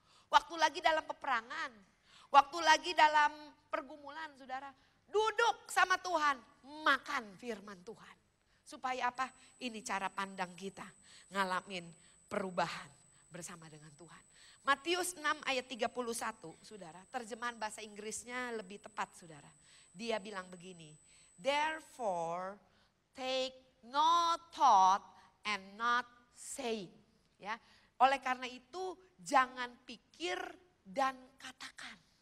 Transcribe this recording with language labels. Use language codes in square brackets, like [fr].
[id] Waktu lagi dalam peperangan, waktu lagi dalam pergumulan, saudara, duduk sama Tuhan, makan firman Tuhan. Supaya apa? Ini cara pandang kita ngalamin perubahan bersama dengan Tuhan. Matius 6 ayat 31, saudara, terjemahan bahasa Inggrisnya lebih tepat, saudara. Dia bilang begini, [en] therefore take no thought and not say. [id] Ya. Oleh karena itu, jangan pikir dan katakan.